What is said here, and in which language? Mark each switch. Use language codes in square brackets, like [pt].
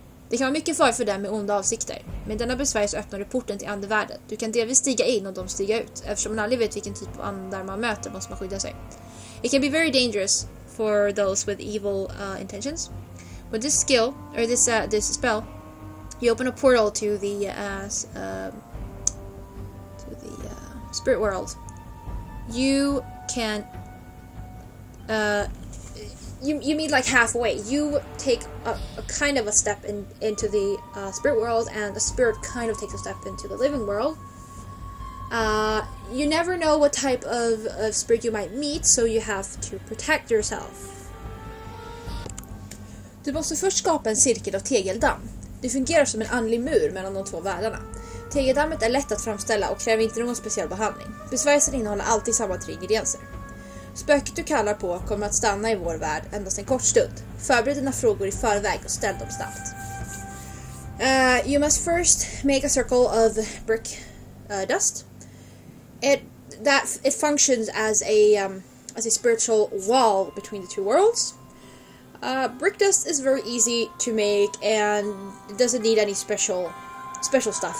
[sv] Det kan vara mycket farligt för dem med onda avsikter. Med denna besvär så öppnar du porten till andevärlden. Du kan delvis stiga in och de stiga ut. Eftersom man aldrig vet vilken typ av andar man möter måste man skydda sig. [en] It can be very dangerous for those with evil intentions. With this skill, or this this spell, you open a portal to the spirit world. You can... You meet like halfway. You take a kind of a step into the spirit world, and the spirit kind of takes a step into the living world. You never know what type of spirit you might meet, so you have to protect yourself. [sv] Du måste först skapa en cirkel av tegeldamm. Det fungerar som en andlig mur mellan de två världarna. Tegeldammet är lätt att framställa och kräver inte någon speciell behandling. Besvärelsen innehåller alltid samma tre ingredienser. Spöket du kallar på kommer att stanna i vår värld endast en kort stund. Förbered dina frågor i förväg och ställ dem snabbt. [en] You must first make a circle of brick dust. It functions as a spiritual wall between the two worlds. Brick dust is very easy to make and it doesn't need any special stuff.